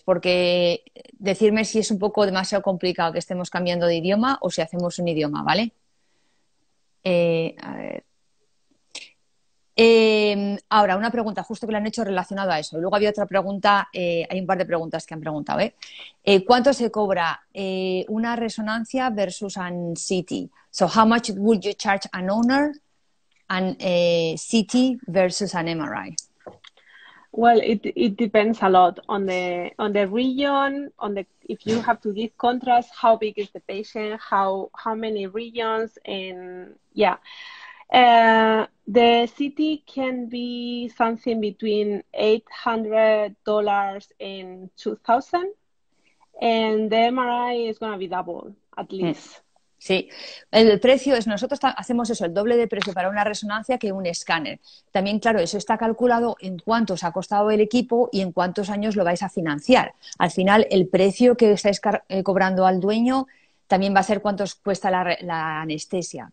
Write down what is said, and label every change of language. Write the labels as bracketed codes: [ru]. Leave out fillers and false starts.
[es] Porque decirme si es un poco demasiado complicado que estemos cambiando de idioma o si hacemos un idioma, ¿vale? A ver. Ahora, una pregunta justo que le han hecho relacionada a eso. Luego había otra pregunta, hay un par de preguntas que han preguntado. ¿Cuánto se cobra una resonancia versus a CT? [en] So, how much would you charge an owner and a CT versus an MRI? Well, it depends a lot on the region, on the if you have to give contrast, how big is the patient, how many regions, and yeah, the CT can be something between $800 and $2,000, and the MRI is going to be double at least. Mm. [es] Sí, el precio es, nosotros hacemos eso, el doble de precio para una resonancia que un escáner. También, claro, eso está calculado en cuánto os ha costado el equipo y en cuántos años lo vais a financiar. Al final, el precio que estáis cobrando al dueño también va a ser cuánto os cuesta la anestesia.